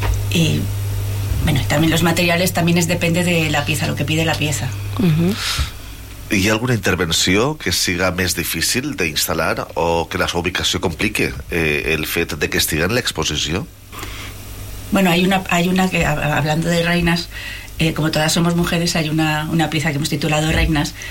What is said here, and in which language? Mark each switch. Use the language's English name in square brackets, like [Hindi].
[Spanish] Y bueno, también los materiales, también es depende de la pieza, lo que pide la pieza. Uh-huh. [Catalan] ¿Hi ha alguna intervenció que siga més difícil d'instal·lar o que la seva ubicació compliqui el fet de que estigui en l'exposició? [Spanish] Bueno, hay una que, hablando de reinas, como todas somos mujeres, hay una pieza que hemos titulado Reinas.